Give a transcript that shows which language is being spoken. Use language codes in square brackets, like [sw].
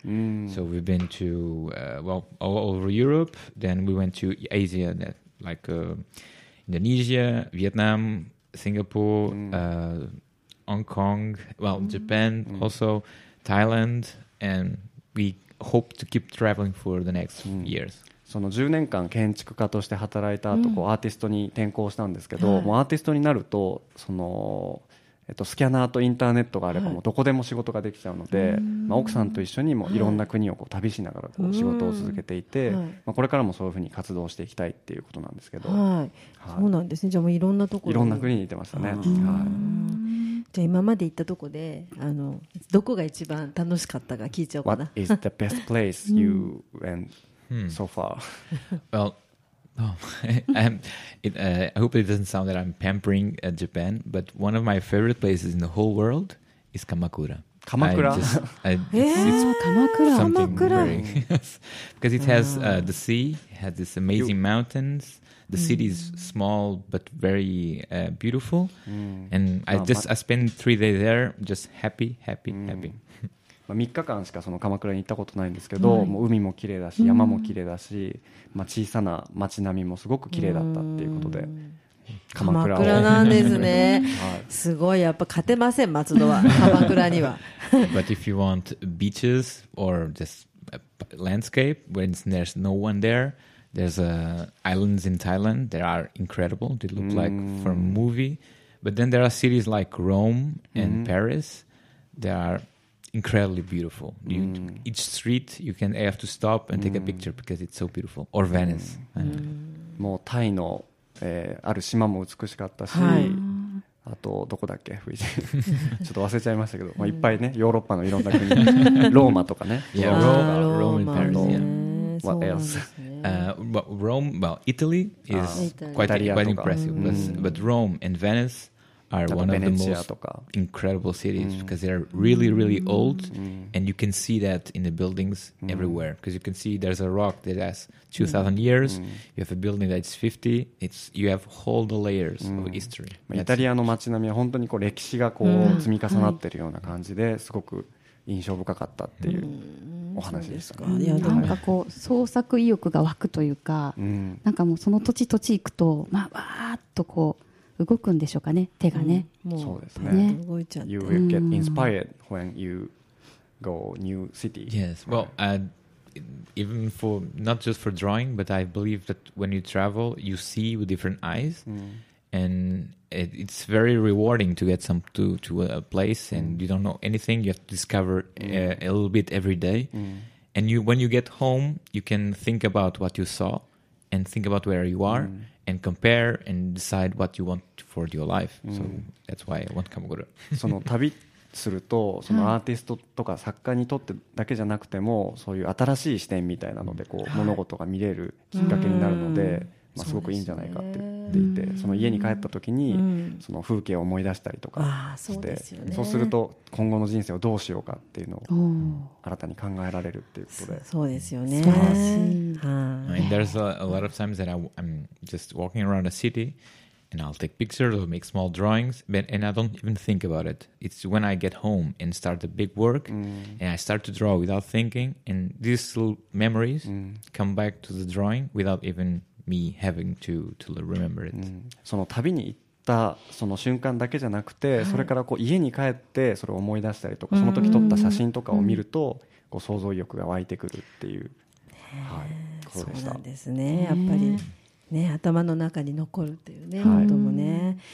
[en] So we've been to, all over Europe. Then we went to Asia, like Indonesia, Vietnam, Singapore, Hong Kong, Japan also, Thailand, and we hope to keep traveling for the next years. [ja] その10年間建築家として働いた後、アーティストに転向したんですけど、もうアーティストになるとそのスキャナーとインターネットがあればもうどこでも仕事ができちゃうので、はい、まあ、奥さんと一緒にもいろんな国をこう旅しながらこう仕事を続けていて、はい、まあ、これからもそういうふうに活動していきたいっていうことなんですけど、はいはい、そうなんですね。じゃあもういろんなところに、いろんな国に行ってましたね、はい、じゃあ今まで行ったとこで、あのどこが一番楽しかったか聞いちゃおうかな。 [en] What is the best place you went so far? Well, I hope it doesn't sound that I'm pampering at Japan, but one of my favorite places in the whole world is Kamakura. Kamakura? Kamakura. Kamakura. Because it has the sea, it has these amazing mountains, the city is small but very beautiful, and I spent 3 days there, just happy. [ja] まあ、3日間しかその鎌倉に行ったことないんですけど、はい、もう海も綺麗だし山も綺麗だし、まあ、小さな町並みもすごく綺麗だったっていうことで、鎌倉を、鎌倉なんですね、はい、すごい、やっぱ勝てません松戸は鎌倉には [en] But if you want beaches or just landscape when there's no one there, there's islands in Thailand that are incredible. They look like from a movie. But then there are cities like Rome and Paris that areincredibly beautiful. Each street you can have to stop and take a picture because it's so beautiful. Or Venice. [ja] もうタイの、ある島も美しかったし、はい、あとどこだっけ、ちょっと忘れちゃいましたけど、まあ、いっぱいね、ヨーロッパのいろんな国ローマとかね、ローマとかね、ローマとかね、ローマとかね、ローマ、 [en] Italy is quite impressive. But Rome and Veniceare one of the most incredible cities because they are really, really old, and you can see that in the buildings everywhere. Because you can see there's a rock that has 2,000 years, you have a building that's 50, you have all the layers of history. [ja] イタリアの街並みは本当にこう歴史がこう積み重なってるような感じで、すごく印象深かったっていうお話でしたね。いや、なんかこう創作意欲が湧くというか、なんかもうその土地土地行くと、まあ、わーっとこう動くんでしょうかね、手がね。そうですね。動いちゃって。 [en] You will get inspired when you go new city. Yes. Well, even for not just for drawing, but I believe that when you travel, you see with different eyes, and it's very rewarding to get some to a place, and you don't know anything. You have to discover a little bit every day, and when you get home, you can think about what you saw, and think about where you are. And compare and decide what you want for your life. So that's why I want Kamakura. [ja] その旅するとそのアーティストとか作家にとってだけじゃなくてもそういう新しい視点みたいなのでこう物事が見れるきっかけになるので、まあ、すごくいいんじゃないかって言っていて、その家に帰った時にその風景を思い出したりとかして、そうすると今後の人生をどうしようかっていうのを新たに考えられるっていうことで、そうですよね。 [en] And there's a lot of times that I'm just walking around a city and I'll take pictures or make small drawings, but and I don't even think about it. It's when I get home and start the big work and I start to draw without thinking, and these little memories come back to the drawing without evenme having to remember it. [ja] その旅に行ったその瞬間だけじゃなくて、それからこう家に帰ってそれを思い出したりとか、その時撮った写真とかを見ると、こう想像意欲が湧いてくるっていう、はい、そうでした。そうなんですね。やっぱりね、頭の中に残るっていうね、はい、本当もね。